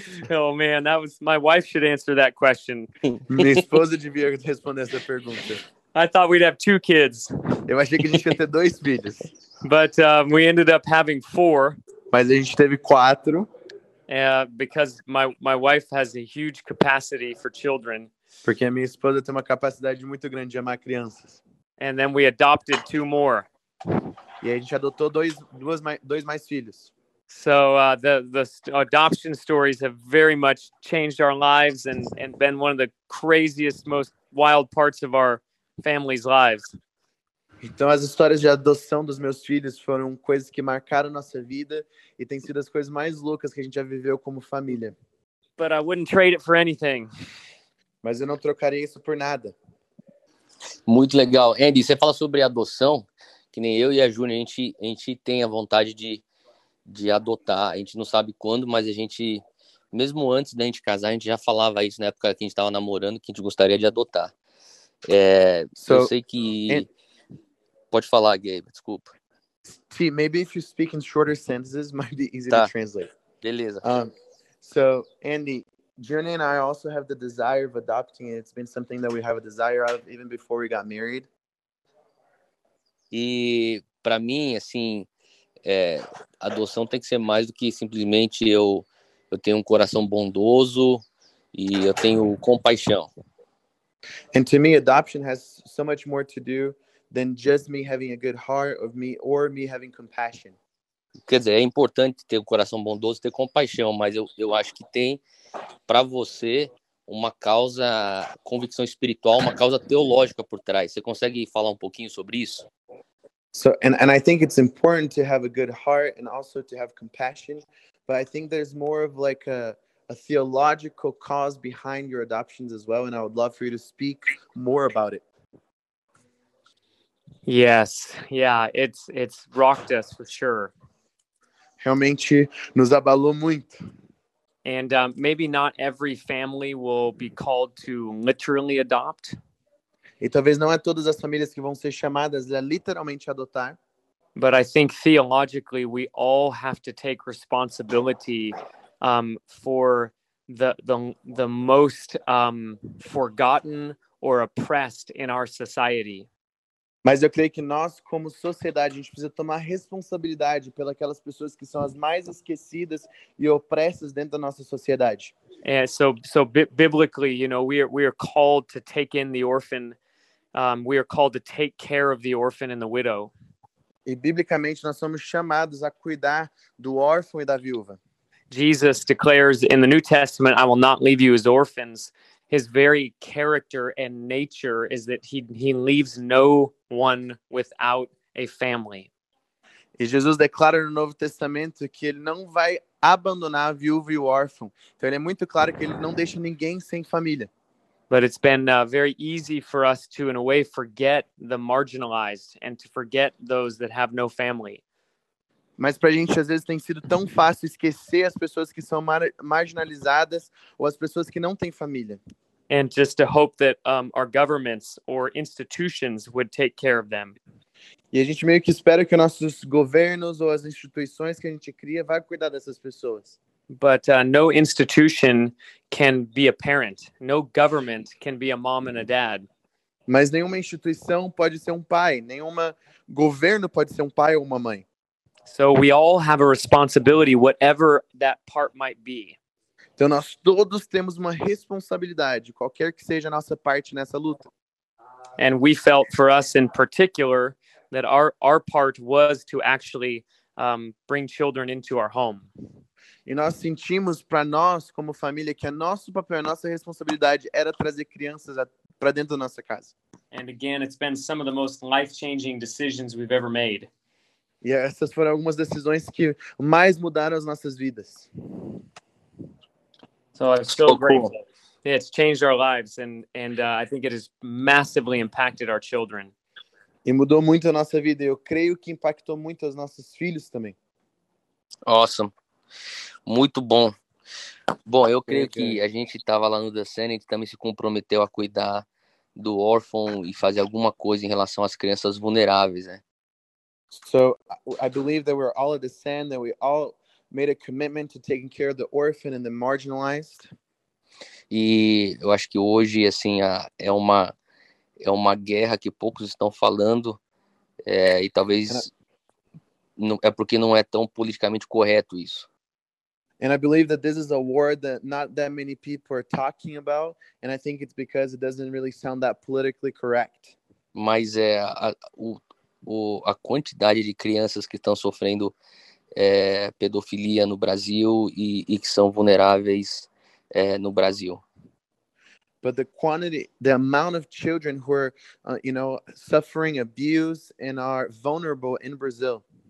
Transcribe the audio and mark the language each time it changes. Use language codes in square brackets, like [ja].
[en] Oh man, that was my wife should answer that question. [pt] Minha esposa devia responder essa pergunta. [en] I thought we'd have 2 kids. [pt] Eu achei que a gente ia ter 2 filhos. [en] But we ended up having 4. [pt] Mas a gente teve 4. [en] Because my wife has a huge capacity for children. [pt] Porque a minha esposa tem uma capacidade muito grande de amar crianças. [en] And then we adopted 2 more. [pt] E aí a gente adotou dois mais filhos. [en] So the adoption stories have very much changed our lives and been one of the craziest, most wild parts of our family's lives. [pt] Então as histórias de adoção dos meus filhos foram coisas que marcaram nossa vida e tem sido as coisas mais loucas que a gente já viveu como família. [en] But I wouldn't trade it for anything. [pt] Mas eu não trocaria isso por nada. Muito legal. Andy, você fala sobre adoção, que nem eu e a Júnia, a gente tem a vontade de adotar. A gente não sabe quando, mas a gente, mesmo antes da gente casar, a gente já falava isso na época que a gente estava namorando, que a gente gostaria de adotar. Eu sei que... Pode falar, Gabe, desculpa. [en] See, maybe if you speak in shorter sentences, it might be easy to translate. [pt] Beleza. [en] So, Andy, Journey and I also have the desire of adopting it. It's been something that we have a desire of even before we got married. [pt] E para mim, assim, adoção tem que ser mais do que simplesmente eu tenho um coração bondoso e eu tenho compaixão. [en] And to me, adoption has so much more to do than just me having a good heart of me or me having compassion. [pt] Quer dizer, é importante ter um coração bondoso, ter compaixão, mas eu acho que tem para você uma causa, convicção espiritual, uma causa teológica por trás. Você consegue falar um pouquinho sobre isso? [en] So and I think it's important to have a good heart and also to have compassion, but I think there's more of like a theological cause behind your adoptions as well, and I would love for you to speak more about it. Yes. Yeah, it's rocked us for sure. [pt] Realmente nos abalou muito. [en] And maybe not every family will be called to literally adopt. [pt] E talvez não é todas as famílias que vão ser chamadas a literalmente adotar. [en] But I think theologically we all have to take responsibility for the most forgotten or oppressed in our society. [pt] Mas eu creio que nós, como sociedade, a gente precisa tomar responsabilidade pelas aquelas pessoas que são as mais esquecidas e opressas dentro da nossa sociedade. [en] And so biblically, you know, we are called to take in the orphan. We are called to take care of the orphan and the widow. [pt] E biblicamente nós somos chamados a cuidar do órfão e da viúva. [en] Jesus declares in the New Testament, I will not leave you as orphans. His very character and nature is that he leaves no one without a family. [pt] E Jesus declara no Novo Testamento que ele não vai abandonar a viúva e o órfão. Então ele é muito claro que ele não deixa ninguém sem família. [en] But it's been very easy for us to, in a way, forget the marginalized and to forget those that have no family. [pt] Mas para a gente, às vezes, tem sido tão fácil esquecer as pessoas que são marginalizadas ou as pessoas que não têm família. [en] And just to hope that our governments or institutions would take care of them. [pt] E a gente meio que espera que nossos governos ou as instituições que a gente cria vá cuidar dessas pessoas. [en] But no institution can be a parent. No government can be a mom and a dad. [pt] Mas nenhuma instituição pode ser um pai. Nenhuma governo pode ser um pai ou uma mãe. [en] So we all have a responsibility, whatever that part might be. [pt] Então nós todos temos uma responsabilidade, qualquer que seja a nossa parte nessa luta. [en] And we felt for us in particular that our part was to actually bring children into our home. [pt] E nós sentimos para nós como família que nosso papel, a nossa responsabilidade era trazer crianças para dentro da nossa casa. [en] And again, it's been some of the most life-changing decisions we've ever made. [pt] E essas foram algumas decisões que mais mudaram as nossas vidas. [en] So I'm so grateful. Yeah, it's changed our lives and I think it has massively impacted our children. [pt] E mudou muito a nossa vida. Eu creio que impactou muito os nossos filhos também. [en] Awesome. [pt] Muito bom. Bom, eu creio que a gente estava lá no The Senate e também se comprometeu a cuidar do órfão e fazer alguma coisa em relação às crianças vulneráveis, né? [en] So I believe that we're all at the sand, that we all made a commitment to taking care of the orphan and the marginalized. [pt] E eu acho que hoje, assim, é uma guerra que poucos estão falando, e talvez não, é porque não é tão politicamente correto isso. [en] And I believe that this is a war that not that many people are talking about, and I think it's because it doesn't really sound that politically correct. [pt] Mas a quantidade de crianças que estão sofrendo pedofilia no Brasil e que são vulneráveis no Brasil. [en] But the quantity, the amount of children who are, you know, suffering abuse and are vulnerable in Brazil.